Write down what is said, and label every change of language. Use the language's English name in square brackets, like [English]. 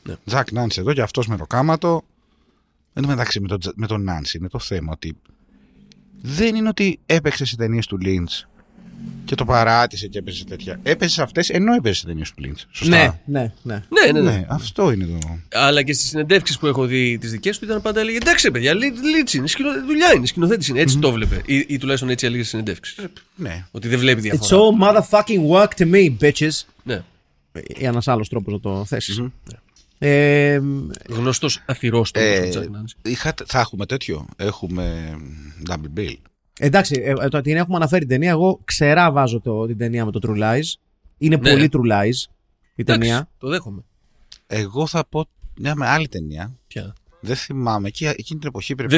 [Greek] Ζακ Νάνση εδώ και αυτός με το κάματο. Εν τω μεταξύ με τον Νάνση είναι το θέμα ότι δεν είναι ότι έπαιξε σε ταινίες του Lynch και το παράτησε και έπαιζε τέτοια. Έπαιζε σε αυτές ενώ έπαιζε σε ταινίες του Lynch. Σωστά. Ναι. Αυτό είναι το. Αλλά και στις συνεντεύξεις που έχω δει τις δικές του ήταν πάντα έλεγε εντάξει, παιδιά, Lynch είναι. Δουλειά είναι, σκηνοθέτης είναι. Έτσι το βλέπε. Ή τουλάχιστον έτσι έλεγε στις συνεντεύξεις. Ναι. Ότι δεν βλέπει διαφορά. [English] It's all motherfucking work to me, bitches. [Greek] Ναι. Ένας άλλος τρόπος να το θέσεις. Mm-hmm. Γνωστός αφηρόστομος. Θα έχουμε τέτοιο. Έχουμε Double Bill. Εντάξει, το ότι την έχουμε αναφέρει την ταινία, εγώ ξερά βάζω την ταινία με το True Lies. Είναι πολύ True Lies η ταινία. Εντάξει, το δέχομαι. Εγώ θα πω μια άλλη ταινία. Ποια? Δεν θυμάμαι. Εκείνη την εποχή πρέπει